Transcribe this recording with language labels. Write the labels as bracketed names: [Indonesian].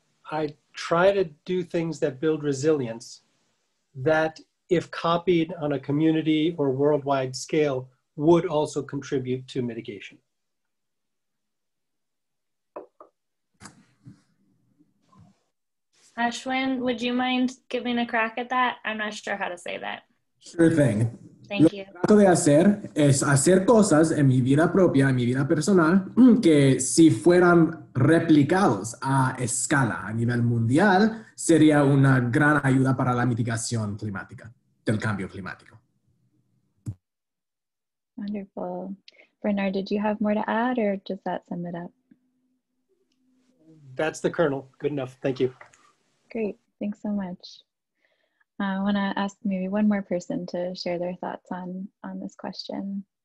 [English] I try to do things that build resilience that, if copied on a community or worldwide scale, would also contribute to mitigation. Ashwin, would you mind giving a crack at that? I'm not sure how to say that. Sure thing. Thank you. [Spanish] Lo que trato de hacer es hacer cosas en mi vida propia, en mi vida personal, que si fueran replicados a escala, a nivel mundial, sería una gran ayuda para la mitigación climática, del cambio climático. [English] Wonderful. Bernard, did you have more to add or does that sum it up? That's the kernel. Good enough. Thank you. Great. Thanks so much. I want to ask maybe one more person to share their thoughts on this question.